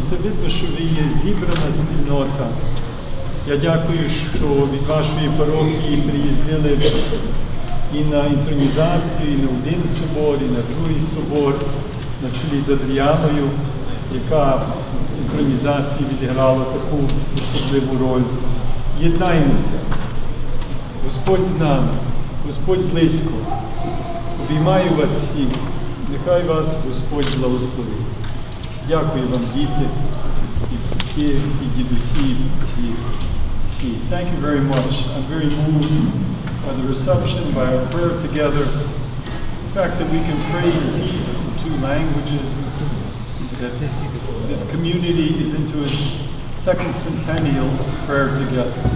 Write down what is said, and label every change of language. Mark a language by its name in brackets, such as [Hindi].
[Ukrainian] Це видно, що ви є зібрана спільнота. Я дякую, що від вашої парохії приїздили і на інтронізацію, і на один собор, і на другий собор, на чолі з Адріаною, яка в інтронізації відіграла таку особливу роль. Єднаймося. Господь з нами, Господь близько. Обіймаю вас всіх. Нехай вас Господь благословить. Дякую вам, діти, і батьки, і дідусі, і батьки. [English] Thank you very much. I'm very moved by the reception, by our prayer together. The fact that we can pray in peace in two languages, that this community is into its second centennial of prayer together.